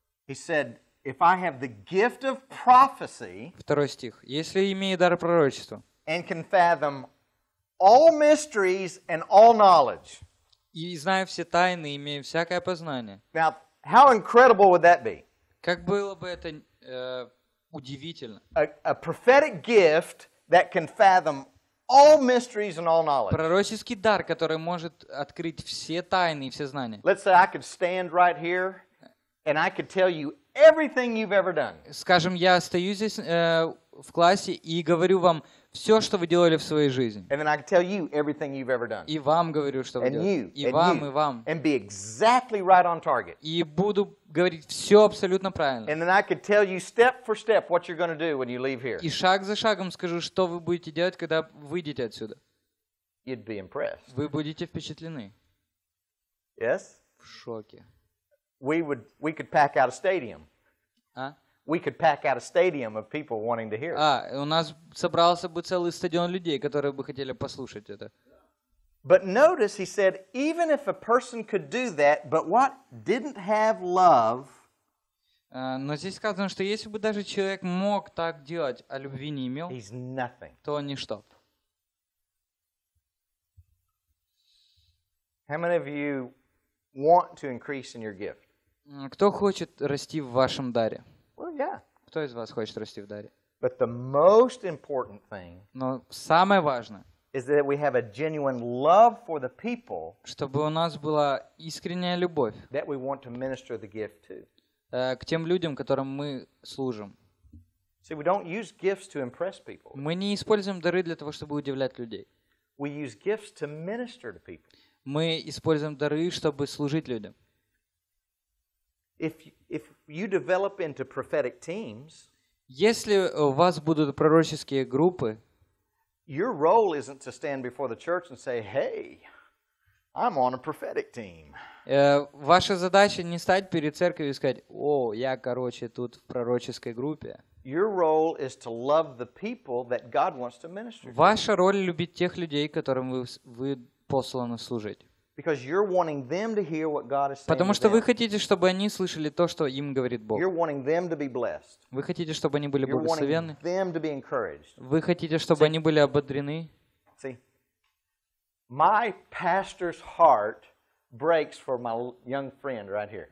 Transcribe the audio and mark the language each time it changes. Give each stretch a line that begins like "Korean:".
English: He said, "If I have the gift of prophecy,
Russian: второй стих, если имею дар пророчества,
English: and can fathom all mysteries and all knowledge,
Russian: и знаю все тайны, имею всякое познание."
English: Now, how incredible would that be?
Russian: Как было бы это удивительно?
English: A prophetic gift that can fathom all mysteries and all knowledge.
Russian: Пророческий дар, который может открыть все тайны и все знания.
English: Let's say I could stand right here. And I could tell you everything you've ever done.
Russian: Скажем, я стою здесь в классе и говорю вам все, что вы делали в своей жизни.
English: And then I can tell you everything you've ever done.
Russian: И вам говорю, что вы
English: and
Russian: делали.
English: You,
Russian: и вам,
English: you.
Russian: И вам.
English: And be exactly right on target.
Russian: И буду говорить все абсолютно правильно.
English: And then I can tell you step for step what you're going to do when you leave here.
Russian: И шаг за шагом скажу, что вы будете делать, когда выйдете отсюда.
English: You'd be impressed.
Russian: Вы будете впечатлены.
English: Yes?
Russian: В шоке.
English: We could pack out a stadium. We could pack out a stadium of people wanting to hear.
Russian: А, у нас собрался бы целый стадион людей, которые бы хотели послушать это.
English: But notice, he said, even if a person could do that, but what didn't have love?
Russian: Но здесь сказано, что если бы даже человек мог так делать, а любви не имел,
English: he's nothing.
Russian: То он ничто.
English: How many of you want to increase in your gift?
Russian: Кто хочет расти в вашем даре?
English: Well, yeah.
Russian: Кто из вас хочет расти в даре?
English: But the most important thing.
Russian: Но самое важное.
English: Is that we have a genuine love for the people.
Russian: Чтобы у нас была искренняя любовь.
English: That we want to minister the gift to.
Russian: К тем людям, которым мы служим.
English: See, we don't use gifts to impress people.
Russian: Мы не используем дары для того, чтобы удивлять людей.
English: We use gifts to minister to people.
Russian: Мы используем дары, чтобы служить людям.
English: If you develop into prophetic teams,
Russian: если у вас будут пророческие группы,
English: your role isn't to stand before the church and say, "Hey, I'm on a prophetic team."
Russian: Ваша задача не стать перед церковью и сказать: "О, я, короче, тут в пророческой группе."
English: Your role is to love the people that God wants to minister to.
Russian: Ваша роль любить тех людей, которым вы посланы служить.
English: Because you're wanting them to hear what God is saying.
Russian: Потому что вы хотите, чтобы они слышали то, что им говорит Бог.
English: You're wanting them to be blessed.
Russian: Вы хотите, чтобы они были благословенны.
English: You're wanting them to be encouraged.
Russian: Вы хотите, чтобы они были ободрены.
English: See, my pastor's heart breaks for my young friend right here.